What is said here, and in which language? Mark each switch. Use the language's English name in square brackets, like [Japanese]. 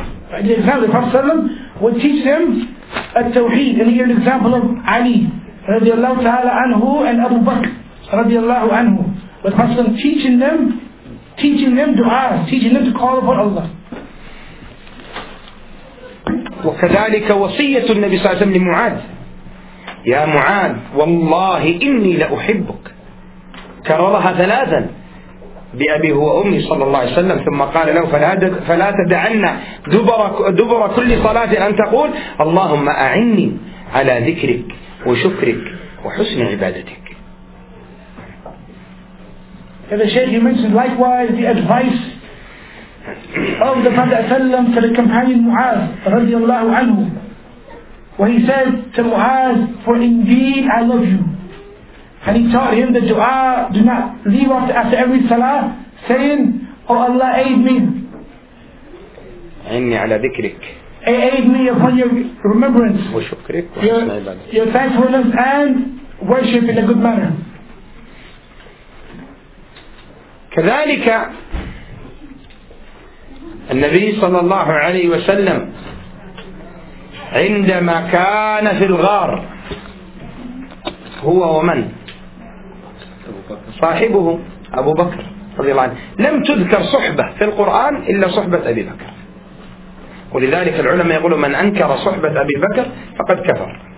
[English] The example of Prophet ﷺ would teach them التوحيد. And here's an example of Ali [Arabic] رضي الله تعالى عنه [English] and Abu Bakr [Arabic] رضي الله عنه. [English] But Prophet ﷺ teaching them du'as, teaching them to call upon Allah. [Arabic] وكذلك وصية النبي صلى الله عليه وسلم لمعاد. يا معاد والله إني لأحبك. كررها ثلاثا بأبيه وأمي صلى الله عليه وسلم. ثم قال له فلا تدعنا دبر كل صلاة أن تقول اللهم أعني على ذكرك وشكرك وحسن عبادتك. [English] The Shaykh mentioned likewise the advice of the Prophet sallam to the companion Mu'adh [Arabic] رضي الله عنه. [English] Where he said to Mu'adh, for indeed I love you. And he taught him the dua, do not leave off after every salah, saying, O Allah, aid me. [Arabic] عني على ذكرك. [English] Aid me upon your remembrance. [Arabic] وشكرك وحسن عبادة. [English] Your thankfulness and worship in a good manner. [Arabic] كذلك النبي صلى الله عليه وسلم عندما كان في الغار هو ومن صاحبه أبو بكر رضي الله عنه، لم تذكر صحبة في القرآن إلا صحبة أبي بكر، ولذلك العلماء يقولوا من أنكر صحبة أبي بكر فقد كفر.